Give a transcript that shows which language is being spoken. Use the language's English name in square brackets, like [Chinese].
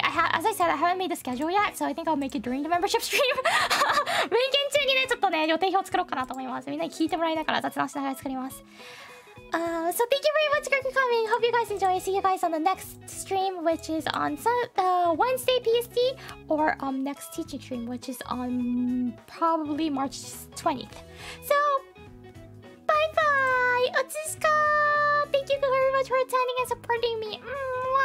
[English] As I said, I haven't made the schedule yet, so I think I'll make it during the membership stream. [Japanese] 勉強中にね、ちょっとね、予定表を作ろうかなと思います。みんなに聞いてもらいながら雑談しながら作ります。 [English] So, thank you very much for coming. Hope you guys enjoy. See you guys on the next stream, which is on Wednesday PST, or next teaching stream, which is on probably March 20th. So, bye bye! Otsushika! Thank you very much for attending and supporting me. Mm-hmm.